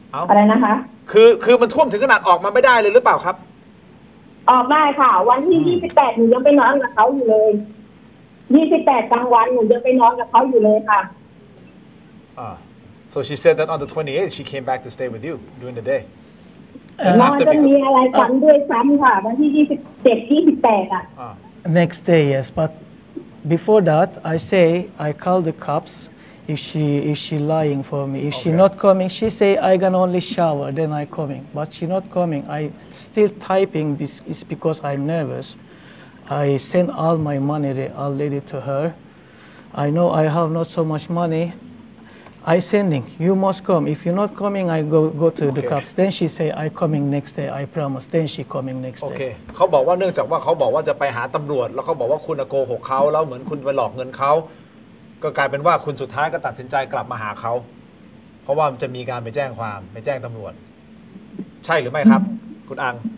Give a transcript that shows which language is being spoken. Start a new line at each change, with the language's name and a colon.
Thai: อะไรนะคะ คือมันท่วมถึงขนาดออกมาไม่ได้เลยหรือเปล่าครับ ออกได้ค่ะวันที่28หนูยังไปนอนกับเขาอยู่เลย28กลางวันหนูยังไปนอนกับเขาอยู่เลยค่ะ
English: so she said that on the 28th she came back to stay with you during the day
Thai: นอนจะมีอะไรฝันด้วยซ้ำค่ะวันที่27 28
English: next day yes but before that I say I call the cops If she lying for me, if okay. She not coming, she say I gonna only shower, then I coming. But she not coming. I still typing. It's because I'm nervous. I send all my money already to her. I know I have not so much money. I sending. You must come. If you not coming, I go to okay. The cops. Then she say I coming next day. I promise. Then she coming next day.
Thai: Okay. เขาบอกว่าเนื่องจากว่าเขาบอกว่าจะไปหาตำรวจแล้วเขาบอกว่าคุณโกหกเขาแล้วเหมือนคุณไปหลอกเงินเขาก็กลายเป็นว่าคุณสุดท้ายก็ตัดสินใจกลับมาหาเขาเพราะว่ามันจะมีการไปแจ้งความไปแจ้งตำรวจใช่หรือไม่ครับคุณอัง